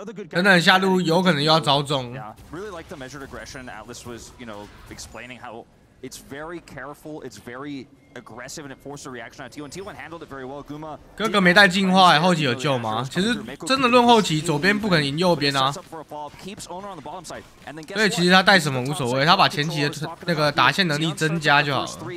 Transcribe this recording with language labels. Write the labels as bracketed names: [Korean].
[Chinese] 等等，下路有可能又要遭中。 [English] Really like the measured aggression Atlas was, you know, explaining how it's very careful, it's very aggressive, and it forced a reaction on T1. T1 handled it very well. Guma [Chinese] 哥哥没带进化，后期有救吗？其实真的论后期，左边不可能赢右边啊。所以其实他带什么无所谓，他把前期的那个打线能力增加就好了。